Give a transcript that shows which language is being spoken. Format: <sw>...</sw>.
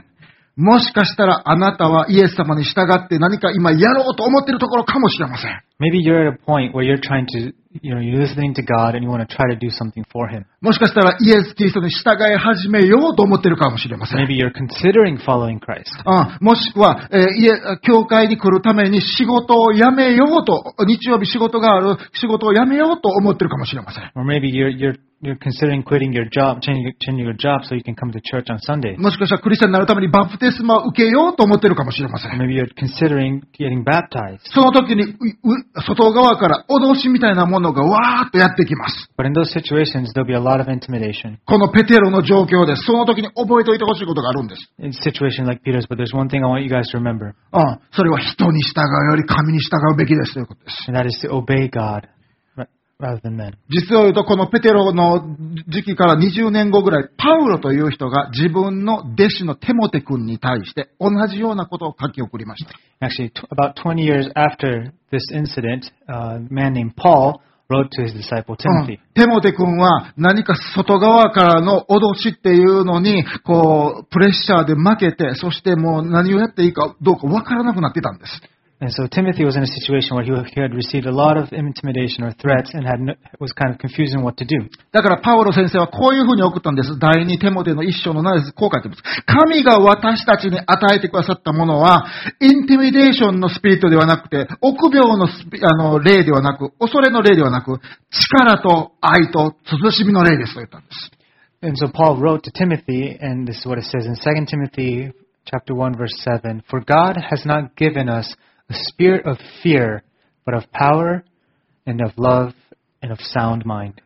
<ja>最後、せーの。</ja> <en>We must obey God rather than men.</en> <ja>もしかしたらあなたはイエス様に従って何か今やろうと思っているところかもしれません。</ja> <en>Maybe you're at a point where you're trying to, you know, you're listening to God and you want to try to do something for Him.</en> <ja>もしかしたらイエス・キリストに従い始めようと思ってるかもしれません。</ja> <en>Maybe you're considering following Christ.</en> <ja>もしくは、教会に来るために仕事を辞めようと、日曜日仕事がある仕事を辞めようと思ってるかもしれません。</ja> <en>Or maybe you're considering quitting your job, changing your job so you can come to church on Sunday.</en> <ja>もしかしたらクリスチャンになるためにバプテスマを受けようと思ってるかもしれません。</ja> <en>Maybe you're considering getting baptized.</en> <ja>その時に、外側から脅しみたいなものがわーっとやってきます。</ja> <en>But in those situations, there'll be a lot of intimidation.</en> <ja>このペテロの状況で、その時に覚えておいてほしいことがあるんです。</ja> <en>In situation like Peter's, but there's one thing I want you guys to remember.</en> <ja>それは人に従うより神に従うべきですということです。</ja> <en>And that is to obey God. Rather than men.</en> <ja>実を言うと、このペテロの時期から20年後ぐらい、パウロという人が自分の弟子のテモテ君に対して同じようなことを書き送りました。</ja> <en>Actually, about 20 years after this incident, a man named Paul wrote to his disciple Timothy.</en> <ja>テモテ君は何か外側からの脅しっていうのに、こう、プレッシャーで負けて、そしてもう何をやっていいかどうかわからなくなってたんです。</ja> <en>And so Timothy was in a situation where he had received a lot of intimidation or threats and was kind of confused in what to do.</en> <ja>だからパウロ先生はこういうふうに送ったんです。第2テモテの1章の7節、こう書いてます。神が私たちに与えてくださったものは、インティミデーションのスピリットではなくて、臆病の霊ではなく、恐れの霊ではなく、力と愛と慎みの霊ですと言ったんです。</ja> <en>And so Paul wrote to Timothy, and this is what it says in 2 Timothy chapter 1 verse 7, For God has not given us A spirit of fear, but of power, and of love, and of sound mind.</en>